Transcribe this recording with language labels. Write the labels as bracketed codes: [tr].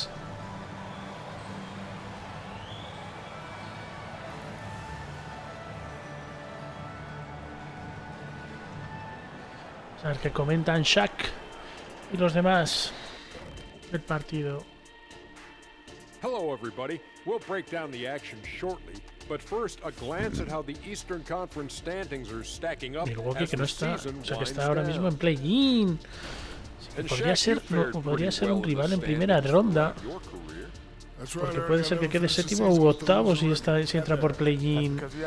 [es] Vamos a ver qué comentan Shaq y los demás del partido. [en] Hello everybody. We'll break down the action shortly. But first, a glance at how the Eastern Conference standings are stacking up. [es] Milwaukee, que no está, o sea, que está ahora mismo en play-in. Podría ser un rival en primera ronda. Porque puede ser que quede séptimo u octavo si entra por play-in.